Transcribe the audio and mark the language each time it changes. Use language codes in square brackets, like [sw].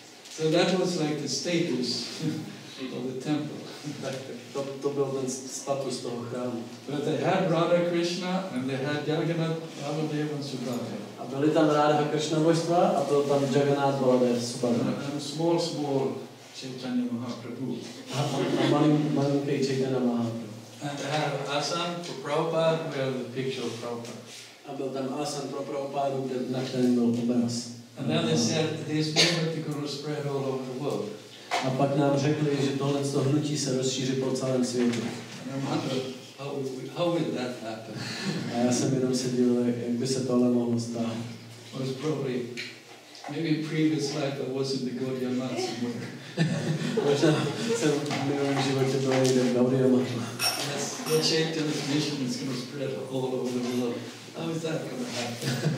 [en] So that was like the status of the temple. [cs] To byl ten status toho chrámu. [en] But they had Radha Krishna and they had Jagannath Baladev and Subhadra. [cs] A byli tam Radha Krishna božstva a byl tam Jagannath Baladev Subhadra. [en] And small Chaitanya Mahaprabhu. [cs] A malinký Chaitanya Mahaprabhu. [en] And they have Asan for Prabhupada, we have the picture of Prabhupada. [cs] A byl tam Asan pro Prabhupada, kde na kterém byl obraz. [en] And then they said, this movement is going to spread all over the world. [cs] A pak nám řekli, že tohle hnutí se rozšíří po celém světě. [en] And I wonder, how will that happen? [cs] A já jsem jenom se díval, jak by se tohle mohlo stát. [en] It was probably, maybe in previous life I was in the Gaudiya Math somewhere. [cs] Možná jsem v minulém životě byl někde v Gaudiya Math. [en] The Chaitanya's mission is going to spread all over the world. How is that going to happen?